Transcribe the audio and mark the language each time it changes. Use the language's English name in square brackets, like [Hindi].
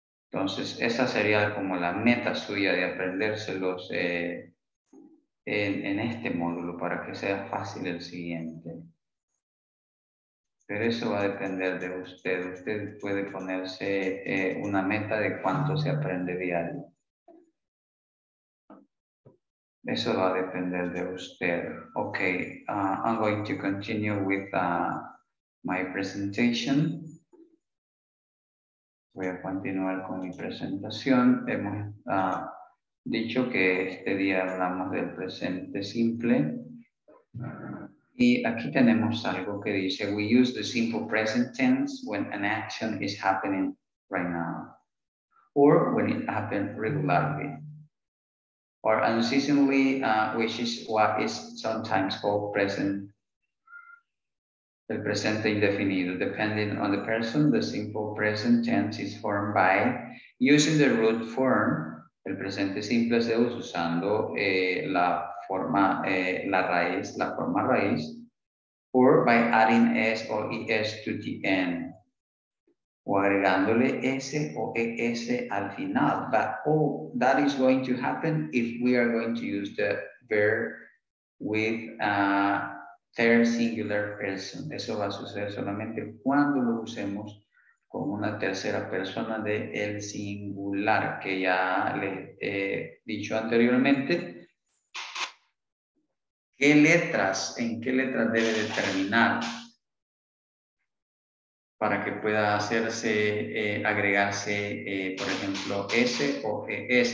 [Spanish] Entonces, esa sería como la meta suya de aprendérselos en este módulo para que sea fácil el siguiente. Pero eso va a depender de usted. Usted puede ponerse una meta de cuánto se aprende diario. Eso va a depender de usted. [English] Okay, I'm going to continue with my presentation. [Spanish] Voy a continuar con mi presentación. Hemos dicho que este día hablamos del presente simple. [English] Y aquí tenemos algo que dice, we use the simple present tense when an action is happening right now, or when it happens regularly, or unceasingly, which is what is sometimes called present, [Spanish] el presente indefinido. [English] Depending on the person, the simple present tense is formed by using the root form. [Spanish] El presente simple se usa usando la forma, la raíz, la forma raíz, [English] or by adding S or ES to the end, [Spanish] o agregándole S o ES al final. [English] But oh, that is going to happen if we are going to use the verb with third singular person. [Spanish] Eso va a suceder solamente cuando lo usemos con una tercera persona de el singular, que ya le he dicho anteriormente. ¿Qué letras? ¿En qué letras debe determinar para que pueda hacerse, agregarse, por ejemplo, S o ES?